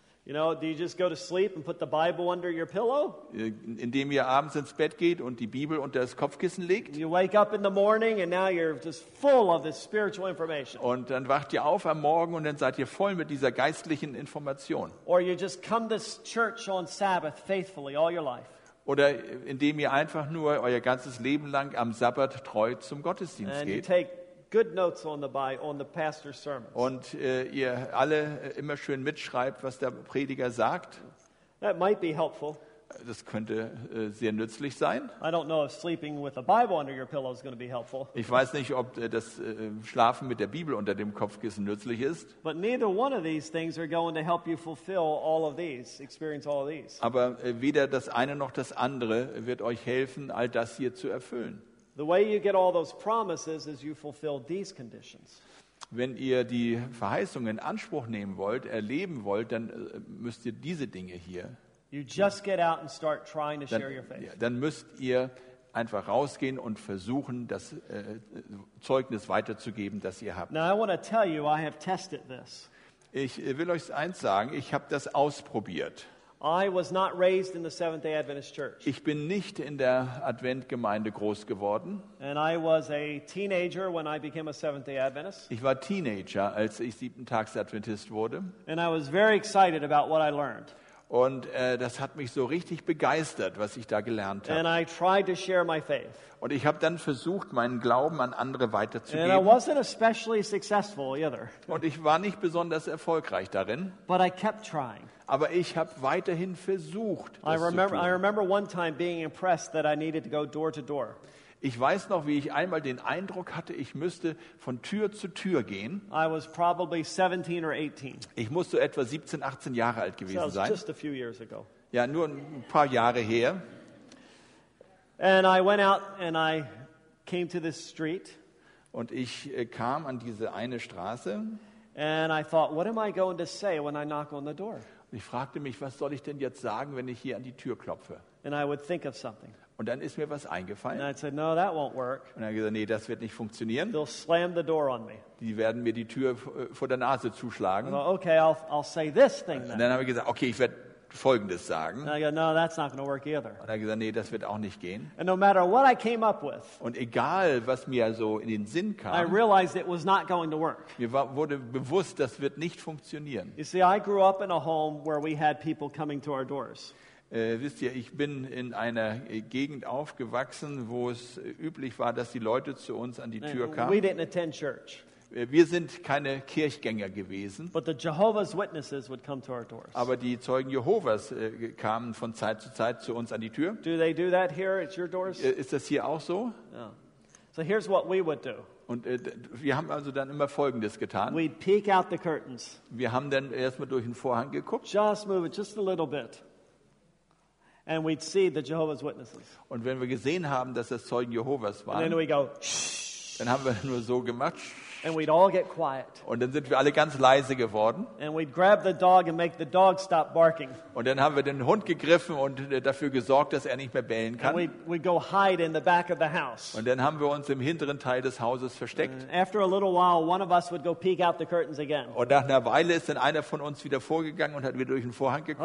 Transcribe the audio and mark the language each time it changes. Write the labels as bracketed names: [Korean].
[English] You know, do you just go to sleep and put the Bible under your pillow? [German] Indem ihr abends ins Bett geht und die Bibel unter das Kopfkissen legt? [English] You wake up in the morning and now you're just full of this spiritual information. [German] Und dann wacht ihr auf am Morgen und dann seid ihr voll mit dieser geistlichen Information. [English] Or you just come to church on Sabbath faithfully all your life. [German] Oder indem ihr einfach nur euer ganzes Leben lang am Sabbat treu zum Gottesdienst [English] and [German] geht. [English] Good notes on the pastor's sermons. [German] Und ihr alle immer schön mitschreibt, was der Prediger sagt. [English] That might be helpful. [German] Das könnte sehr nützlich sein. [English] I don't know if sleeping with a Bible under your pillow is going to be helpful. [German] Ich weiß nicht, ob das Schlafen mit der Bibel unter dem Kopfkissen nützlich ist. [English] But neither one of these things are going to help you fulfill all of these, experience all of these. [German] Aber weder das eine noch das andere wird euch helfen, all das hier zu erfüllen. [English] The way you get all those promises is you fulfill these conditions. [German] Wenn ihr die Verheißungen in Anspruch nehmen wollt, erleben wollt, dann müsst ihr diese Dinge hier. [English] You just get out and start trying to share your faith. [German] Dann müsst ihr einfach rausgehen und versuchen, das Zeugnis weiterzugeben, das ihr habt. [English] Now I want to tell you, I have tested this. [German] Ich will euch eins sagen, ich habe das ausprobiert. [English] I was not raised in the Seventh-day Adventist Church. [German] Ich bin nicht in der Adventgemeinde groß geworden. [English] And I was a teenager when I became a Seventh-day Adventist. [German] Ich war Teenager, als ich Siebentags-Adventist wurde. [English] And I was very excited about what I learned. [German] Und das hat mich so richtig begeistert, was ich da gelernt habe. [English] And I tried to share my faith. [German] Und ich habe dann versucht, meinen Glauben an andere weiterzugeben. [English] And I wasn't especially successful either. [German] Und ich war nicht besonders erfolgreich darin. [English] But I kept trying. [German] Aber ich habe weiterhin versucht, das zu tun. [English] I remember one time being impressed that I needed to go door to door. [German] Ich weiß noch, wie ich einmal den Eindruck hatte, ich müsste von Tür zu Tür gehen. [English] I was probably 17 or 18. [German] Ich musste etwa 17, 18 Jahre alt gewesen so sein. [English] Just a few years ago. [German] Ja, nur ein paar Jahre her. [English] And I went out and I came to this street. [German] Und ich kam an diese eine Straße. [English] And I thought, what am I going to say when I knock on the door? [German] Ich fragte mich, was soll ich denn jetzt sagen, wenn ich hier an die Tür klopfe? [English] And I would think of something. [German] Und dann ist mir was eingefallen. [English] And I said, no, that won't work. [German] Und dann gesagt, nee, das wird nicht funktionieren. [English] They'll slam the door on me. [German] Die werden mir die Tür vor der Nase zuschlagen. [English] Thought, okay, I'll say this thing then. [German] Und dann habe ich gesagt, okay, ich werde Folgendes sagen. [English] And I go, no, that's not going to work either. [German] Und dann gesagt, nee, das wird auch nicht gehen. [English] And no matter what I came up with. [German] Und egal, was mir so in den Sinn kam. [English] I realized it was not going to work. [German] Mir wurde bewusst, das wird nicht funktionieren. [English] You see, I grew up in a home where we had people coming to our doors. [German] Wisst ihr, ich bin in einer Gegend aufgewachsen, wo es üblich war, dass die Leute zu uns an die Tür kamen. [English] We didn't attend church. [German] Wir sind keine Kirchgänger gewesen. [English] But the Jehovah's Witnesses would come to our doors. [German] Aber die Zeugen Jehovas kamen von Zeit zu Zeit zu uns an die Tür. [English] Do they do that here at your doors? [German] Ist das hier auch so? [English] No. So here's what we would do. [German] Und wir haben also dann immer Folgendes getan. [English] We'd peek out the curtains. [German] Wir haben dann erstmal durch den Vorhang geguckt. [English] Just move it just a little bit. And we'd see the Jehovah's Witnesses. [German] Und wenn wir gesehen haben, dass das Zeugen Jehovas waren, [English] and then we'd go, [German] dann haben wir nur so gemacht. [English] And we'd all get quiet. [German] Und dann sind wir alle ganz leise geworden. [English] And we'd grab the dog and make the dog stop barking. [German] Und dann haben wir den Hund gegriffen und dafür gesorgt, dass er nicht mehr bellen kann. [English] And we'd go hide in the back of the house. [German] Und dann haben wir uns im hinteren Teil des Hauses versteckt. [English] After a little while, one of us would go peek out the curtains again. [German] Und nach einer Weile ist dann einer von uns wieder vorgegangen und hat wieder durch den Vorhang geguckt.